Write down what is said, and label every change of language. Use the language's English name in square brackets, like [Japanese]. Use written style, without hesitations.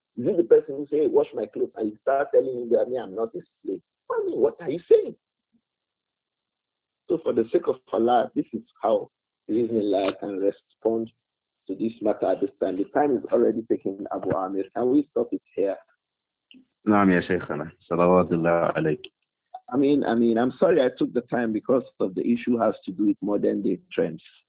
[English] Is it the person who says, wash my clothes, and you start telling him that I'm not a slave? I mean, what are you saying? So for the sake of Allah, this is how reason life can respond to this matter at this time. The time is already taken, Abu Amir. Can we stop it here? [Arabic] نعم يا شيخنا صلوات الله عليك. [English] I mean, I'm sorry I took the time because of the issue has to do with modern day trends.